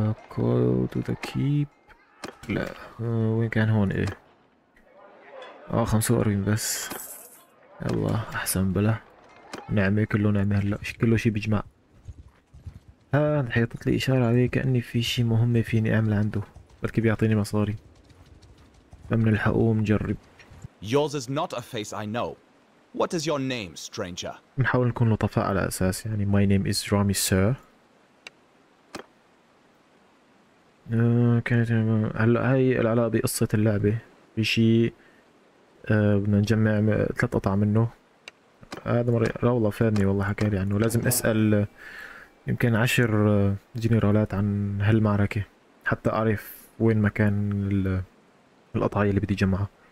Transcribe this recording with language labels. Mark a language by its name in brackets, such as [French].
[English] call to the keep، [Arabic] لا وين كان هون، ايه 45 بس، يلا احسن بلا. نعمة كله نعمة، هلا كله شي بيجمع. ها حيطت لي اشارة عليه كأني في شي مهمة فيني اعمل عنده، بلكي بيعطيني مصاري. فمن الحقوه ونجرب. [English] Yours is not a face I know. What is your name, stranger? [Arabic] نحاول نكون لطفاء على اساس يعني [English] my name is Rami sir. [Arabic] كانت هلا هاي العلاقة بقصة اللعبة، في شي بدنا نجمع 3 قطع منه. هذا مرة لا والله فادني والله، حكى لي عنه. لازم اسأل يمكن 10 جنرالات عن هالمعركة حتى اعرف وين مكان القطعة اللي بدي اجمعها.